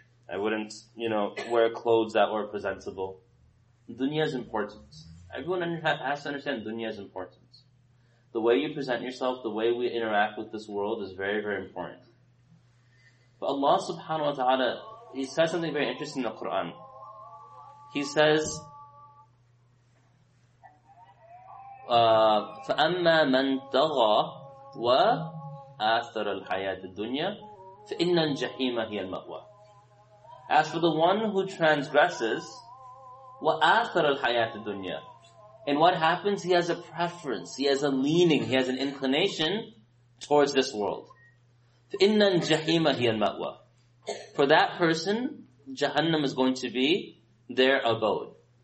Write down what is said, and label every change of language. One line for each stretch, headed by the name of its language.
English: I wouldn't, you know, wear clothes that were presentable. Dunya is important. Everyone has to understand dunya is important. The way you present yourself, the way we interact with this world is very, very important. But Allah subhanahu wa ta'ala, He says something very interesting in the Quran.
Arabic: He says, فَأَمَّا مَنْ تَغَى وَآثَرَ الْحَيَاةِ الدُّنْيَا فَإِنَّ الْجَحِيمَ هِيَ الْمَأْوَى.
English: As for the one who transgresses,
Arabic: وَآثَرَ الْحَيَاةِ الدُّنْيَا.
English: And what happens? He has a preference, he has a leaning, he has an inclination towards this world.
Arabic: فَإِنَّ الْجَحِيمَ هِيَ الْمَأْوَى.
English: For that person, Jahannam is going to be their abode.